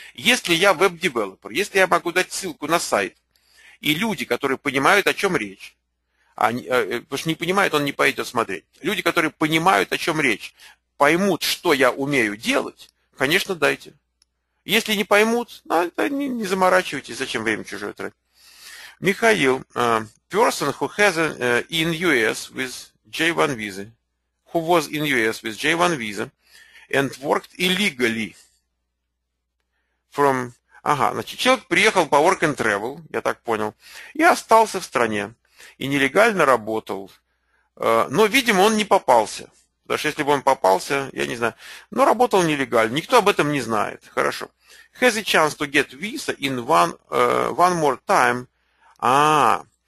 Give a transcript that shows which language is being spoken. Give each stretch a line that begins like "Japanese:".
Russian: Если я веб-девелопер, если я могу дать ссылку на сайт, и люди, которые понимают, о чем речь, потому что не понимает, он не пойдет смотреть, люди, которые понимают, о чем речь, поймут, что я умею делать, конечно, дайте. Если не поймут, ну, да, не заморачивайтесь, зачем время чужое тратить.
English: Михаил, person who has an in US with J1 visa, who was in US with J1 visa and worked illegally from...
Russian: Ага, значит, человек приехал по
English: work and travel,
Russian: я так понял, и остался в стране, и нелегально работал, но, видимо, он не попался. Потому что если бы он попался, я не знаю. Но работал нелегально. Никто об этом не знает. Хорошо.
English: Has a chance to get visa in one more time.
Russian: А,